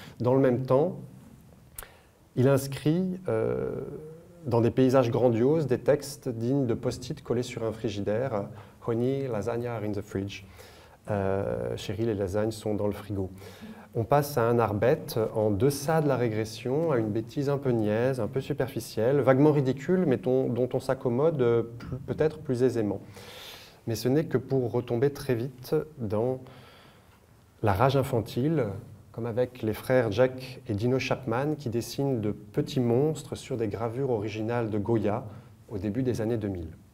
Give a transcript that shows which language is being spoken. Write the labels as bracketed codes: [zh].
[fr] Dans le même temps, il inscrit dans des paysages grandioses des textes dignes de post-it collés sur un frigidaire. [en] Honey, lasagna are in the fridge. [fr] Chérie, les lasagnes sont dans le frigo. On passe à un art bête en deçà de la régression, à une bêtise un peu niaise, un peu superficielle, vaguement ridicule, mais dont on s'accommode peut-être plus aisément. Mais ce n'est que pour retomber très vite dans la rage infantile, comme avec les frères Jack et Dino Chapman qui dessinent de petits monstres sur des gravures originales de Goya au début des années 2000.